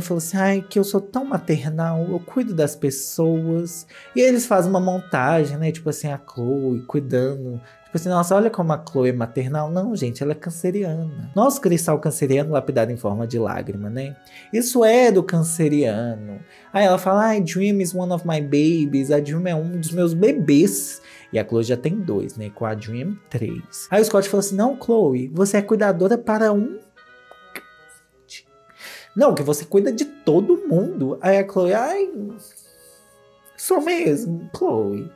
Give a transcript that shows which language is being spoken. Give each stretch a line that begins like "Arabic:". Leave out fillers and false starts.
Portuguese: Falou assim, ai, que eu sou tão maternal, eu cuido das pessoas. E aí eles fazem uma montagem, né? Tipo assim, a Chloe cuidando... Assim, nossa, olha como a Chloe é maternal. Não, gente, ela é canceriana. Nosso cristal canceriano lapidado em forma de lágrima, né? Isso é do canceriano. Aí ela fala, ah,
English: Dream is one of my babies.
Portuguese: A Dream é um dos meus bebês. E a Chloe já tem dois, né? Com a Dream, três. Aí o Scott falou assim, não, Chloe, você é cuidadora para um... Não, que você cuida de todo mundo. Aí a Chloe, ai... Sou mesmo, Chloe.